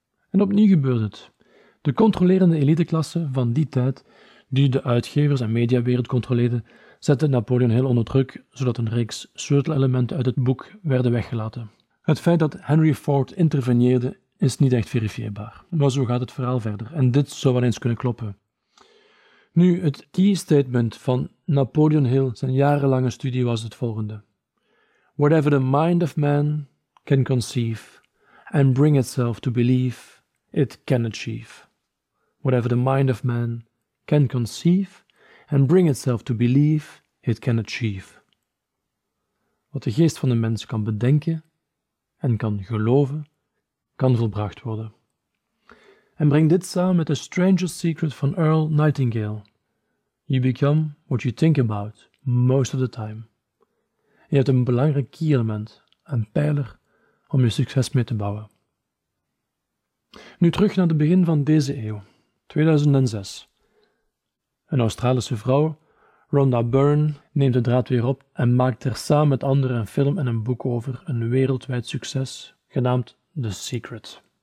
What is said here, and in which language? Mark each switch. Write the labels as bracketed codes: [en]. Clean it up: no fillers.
[nl] En opnieuw gebeurde het. De controlerende eliteklasse van die tijd, die de uitgevers en mediawereld controleerde, zette Napoleon Hill onder druk, zodat een reeks sleutelelementen uit het boek werden weggelaten. Het feit dat Henry Ford interveneerde is niet echt verifieerbaar. Maar zo gaat het verhaal verder, en dit zou wel eens kunnen kloppen. Nu, het key statement van Napoleon Hill, zijn jarenlange studie, was het volgende. [en] Whatever the mind of man can conceive and bring itself to believe, it can achieve. Whatever the mind of man can conceive and bring itself to believe, it can achieve. [nl] Wat de geest van de mens kan bedenken en kan geloven, kan volbracht worden. en breng dit samen met The Strangest Secret van Earl Nightingale. [en] You become what you think about most of the time. [nl] En je hebt een belangrijk key element, een pijler, om je succes mee te bouwen. Nu terug naar het begin van deze eeuw, 2006. Een Australische vrouw, Rhonda Byrne, neemt de draad weer op en maakt er samen met anderen een film en een boek over een wereldwijd succes, genaamd The Secret.